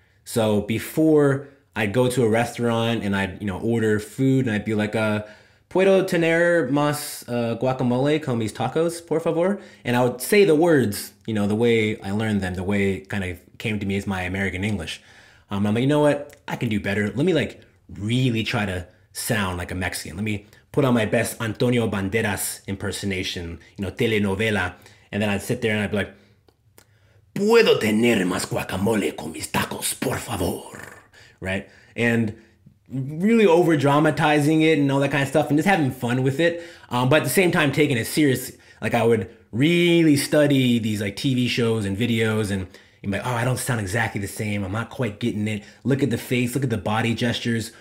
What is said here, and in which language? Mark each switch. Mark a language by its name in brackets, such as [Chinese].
[English] So before I'd go to a restaurant and I'd, you know, order food and I'd be like, [Spanish] ¿Puedo tener más guacamole con mis tacos, por favor? [English] And I would say the words, you know, the way I learned them, the way it kind of came to me as my American English. I'm like, you know what? I can do better. Let me like really try to sound like a Mexican. Let me put on my best Antonio Banderas impersonation, you know, telenovela. And then I'd sit there and I'd be like, [Spanish] ¿Puedo tener más guacamole con mis tacos, por favor? [English] Right? And really over-dramatizing it and all that kind of stuff and just having fun with it. But at the same time, taking it serious. Like I would really study these like TV shows and videos and you'd be like, oh, I don't sound exactly the same. I'm not quite getting it. Look at the face. Look at the body gestures.